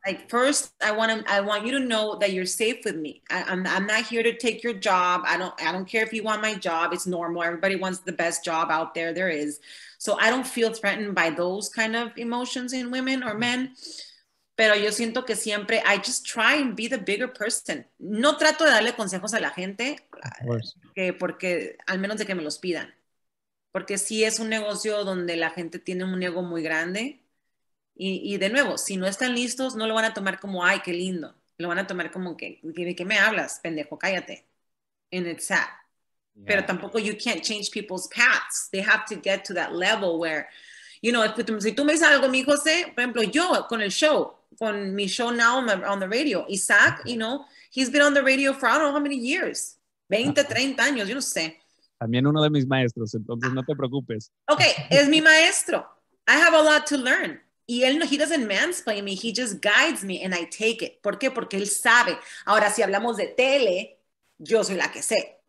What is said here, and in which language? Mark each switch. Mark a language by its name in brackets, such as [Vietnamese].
[English] Like first, I want you to know that you're safe with me. I'm not here to take your job. I don't care if you want my job. It's normal. Everybody wants the best job out there. There is. So I don't feel threatened by those kind of emotions in women or men. [Spanish] Pero yo siento que siempre, [English] I just try and be the bigger person. [Spanish] No trato de darle consejos a la gente. Porque al menos de que me los pidan. Porque si es un negocio donde la gente tiene un ego muy grande. Y de nuevo, si no están listos, no lo van a tomar como, ay, qué lindo. Lo van a tomar como, ¿de qué me hablas, pendejo? Cállate. [English] And it's sad. Yeah. [Spanish] Pero tampoco, [English] you can't change people's paths. They have to get to that level where, you know, [Spanish] si tú me dices algo, mi José, por ejemplo, yo con el show, con mi show [English] now on the radio, Isaac, you know, he's been on the radio for I don't know how many years. [Spanish] 20, 30 años, yo no sé. También uno de mis maestros, entonces no te preocupes. [English] Okay, [Spanish] es mi maestro. [English] I have a lot to learn. [Spanish] Y él no, [English] he doesn't mansplain me, he just guides me and I take it. [Spanish] ¿Por qué? Porque él sabe. Ahora, si hablamos de tele, yo soy la que sé.